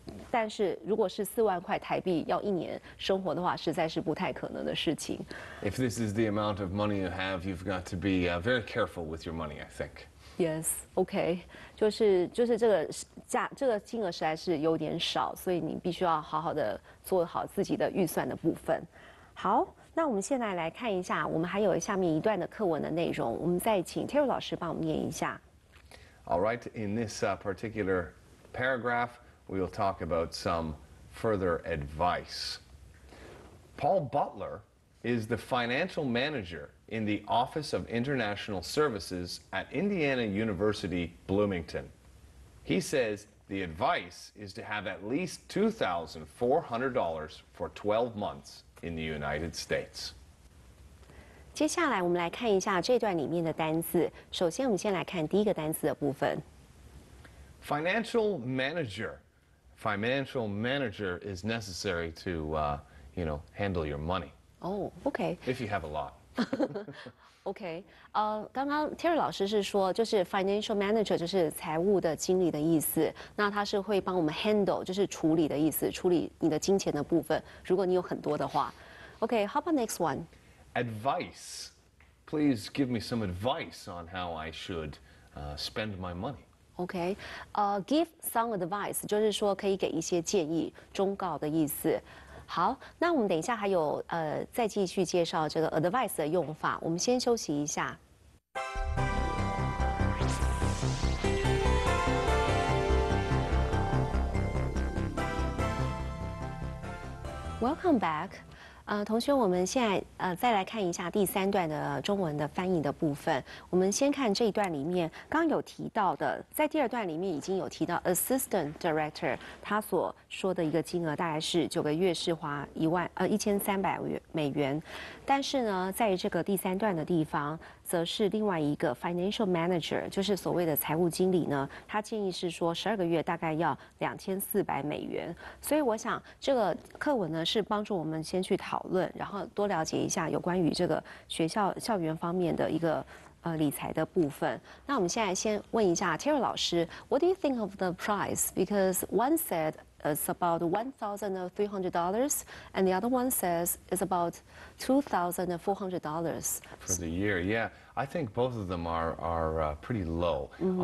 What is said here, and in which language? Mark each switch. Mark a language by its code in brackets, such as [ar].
[zh] 但是如果是$40,000要一年生活的话，实在是不太可能的事情。 [en] If this is the amount of money you have, you've got to be very careful with your money, I think. Yes, okay. [zh] 就是这个金额实在是有点少，所以你必须要好好的做好自己的预算的部分。好，那我们现在来看一下，我们还有下面一段的课文的内容，我们再请 Terry 老师帮我们念一下。 [en] All right, in this particular paragraph,We'll talk about some further advice. Paul Butler is the financial manager in the Office of International Services at Indiana University, Bloomington. He says the advice is to have at least $2,400 for 12 months in the United States. [zh] 接下来我们来看一下这段里面的单词。首先我们先来看第一个单词的部分。 [en] Financial manager. Financial manager is necessary to, handle your money. Oh, okay. If you have a lot. okay. [zh] 刚刚 Terry 老师是说，就是 financial manager 就是财务的经理的意思。那他是会帮我们 handle， 就是处理的意思，处理你的金钱的部分。如果你有很多的话 ，Okay. [en] How about next one? Advice. Please give me some advice on how I should, spend my money. [zh] Okay, [en] give some advice, [zh] 就是说可以给一些建议、忠告的意思。好，那我们等一下还有再继续介绍这个 advice 的用法。我们先休息一下。 [en] Welcome back. [zh] 同学，我们现在再来看一下第三段的中文的翻译的部分。我们先看这一段里面刚有提到的，在第二段里面已经有提到 assistant director 他所说的一个金额大概是九个月是花1,300美元，但是呢，在这个第三段的地方，则是另外一个 financial manager， 就是所谓的财务经理呢，他建议是说12个月大概要$2,400。所以我想这个课文呢是帮助我们先去讨论，然后多了解一下有关于这个学校校园方面的一个理财的部分。那我们现在先问一下 Terry 老师 ， [en] What do you think of the price? Because one said it's about $1,300, and the other one says it's about $2,400 for the year. Yeah, I think both of them are pretty low. Mm-hmm.